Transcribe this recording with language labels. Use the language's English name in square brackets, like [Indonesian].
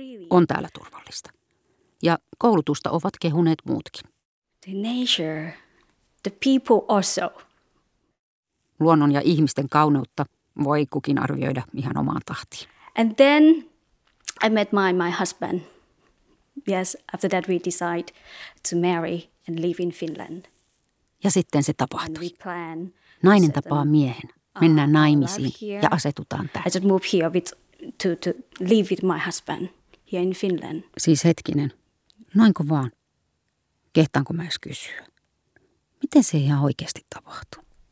[Finnish] On täällä turvallista. Ja koulutusta ovat kehuneet muutkin. [English] The nature, the people also. [Finnish] Luonnon ja ihmisten kauneutta voi kukin arvioida ihan omaan tahtiin. [English] And then I met my husband. Yes, after that we decide to marry and live in Finland. [Finnish] Ja sitten se tapahtui. Nainen tapaa miehen, mennään naimisiin ja asetutaan tähän. [English] I just move here with to live with my husband here in Finland. [Finnish] Siis hetkinen, noinko vaan? Kehtaanko mä edes kysyä? Miten se ihan oikeasti tapahtui?